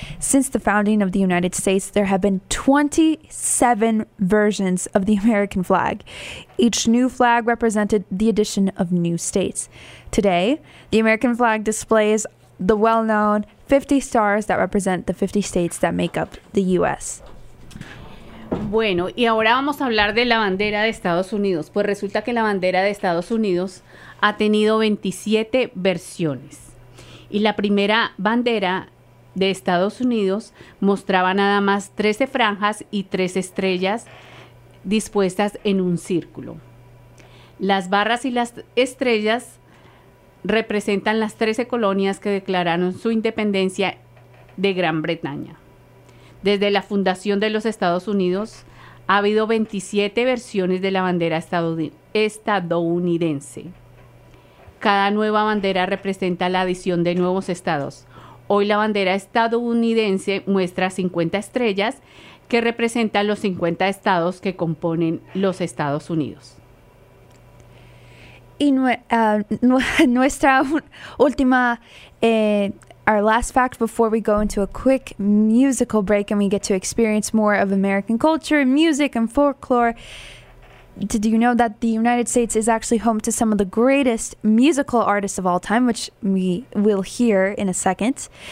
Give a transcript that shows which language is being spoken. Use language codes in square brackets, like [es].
[en] Since the founding of the United States, there have been 27 versions of the American flag. Each new flag represented the addition of new states. Today, the American flag displays the well-known 50 stars that represent the 50 states that make up the U.S. [es] Bueno, y ahora vamos a hablar de la bandera de Estados Unidos. Pues resulta que la bandera de Estados Unidos ha tenido 27 versiones. Y la primera bandera de Estados Unidos mostraba nada más 13 franjas y 3 estrellas dispuestas en un círculo. Las barras y las estrellas representan las 13 colonias que declararon su independencia de Gran Bretaña. Desde la fundación de los Estados Unidos, ha habido 27 versiones de la bandera estadounidense. Cada nueva bandera representa la adición de nuevos estados. Hoy la bandera estadounidense muestra 50 estrellas que representan los 50 estados que componen los Estados Unidos. Y nuestra última, [en] our last fact before we go into a quick musical break and we get to experience more of American culture, music, and folklore. Did you know that the United States is actually home to some of the greatest musical artists of all time, which we will hear in a second?